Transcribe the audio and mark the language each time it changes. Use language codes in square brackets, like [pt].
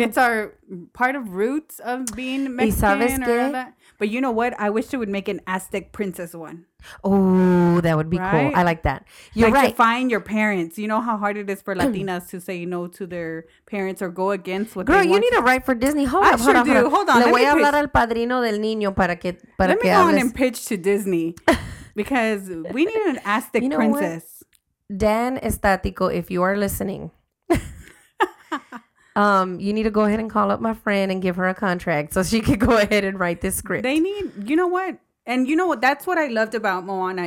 [en] It's our part of roots of being Mexican. Or that. But you know what? I wish they would make an Aztec princess one. Oh, that would be cool. I like that. You're like right. To find your parents. You know how hard it is for Latinas to say no to their parents or go against what they want. Girl, you need to write for Disney. Hold up. I sure do. Hold on. [es] Le voy a hablar al padrino del niño para que para [en] let me go on and pitch to Disney because we need an Aztec princess. Dan Estatico, if you are listening, you need to go ahead and call up my friend and give her a contract so she could go ahead and write this script. They need, you know what? And you know what? That's what I loved about Moana.